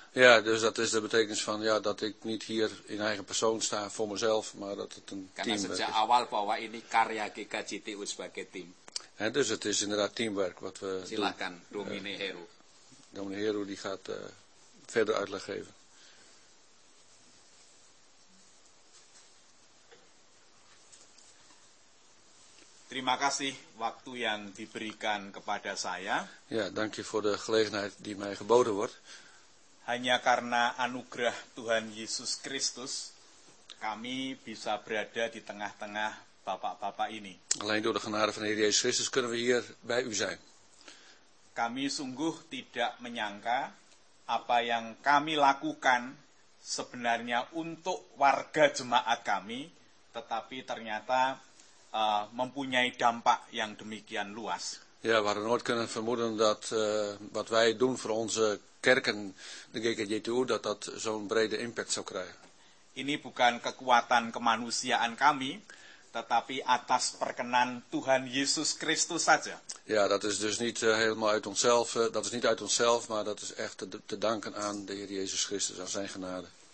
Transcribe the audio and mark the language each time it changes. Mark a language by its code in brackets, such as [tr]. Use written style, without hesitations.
[nl] Ja, dus dat is de betekenis van ja dat ik niet hier in eigen persoon sta voor mezelf, maar dat het een [id] karena [nl] team is. [id] Karena sejak awal bahwa ini karya GKJTU sebagai tim. [nl] He, dus het is inderdaad teamwork wat we [id] Silakan, [nl] doen. Domine Heru. Domine Heru die gaat verder uitleg geven. [id] Terima kasih waktu yang diberikan kepada saya. [nl] Ja, dank je voor de gelegenheid die mij geboden wordt. [id] Hanya karena anugerah Tuhan Yesus Kristus, kami bisa berada di tengah-tengah Bapak-bapak ini. [nl] Alleen door de genade van de Heer Jezus Christus kunnen we hier bij u zijn. [id] Kami sungguh tidak menyangka apa yang kami lakukan sebenarnya untuk warga jemaat kami, tetapi ternyata mempunyai dampak yang demikian luas. [nl] Ja, we hadden nooit kunnen vermoeden dat wat wij doen voor onze kerken, de GKJTU, dat zo'n brede impact zou krijgen. [id] Ini bukan kekuatan kemanusiaan kami, tetapi atas perkenan Tuhan Yesus Kristus saja. [nl] Ja, dat is dus niet helemaal uit onszelf, dat is niet uit onszelf, maar dat is echt te danken aan de Heer Jezus Christus, aan zijn genade.